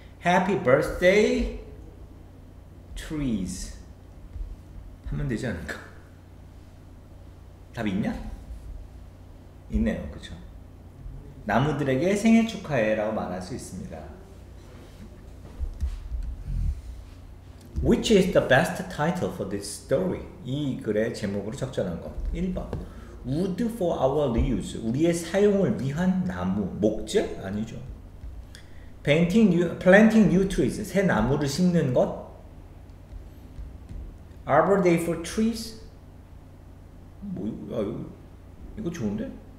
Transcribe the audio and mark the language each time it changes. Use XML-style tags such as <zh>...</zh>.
<en>Happy birthday, trees.</en> <ko>하면 되지 않을까? 답이 있냐? 있네요, 그쵸? 나무들에게 생일 축하해 라고 말할 수 있습니다.</ko> <en>Which is the best title for this story?</en> <ko>이 글의 제목으로 적절한 것.</ko> <en>1번. Wood for our reuse.</en> <ko>우리의 사용을 위한 나무. 목재? 아니죠.</ko> <en>Planting new trees.</en> <ko>새 나무를 심는 것.</ko> <en>Arbor Day for trees.</en> <ko>뭐, 아유, 이거 좋은데?</ko>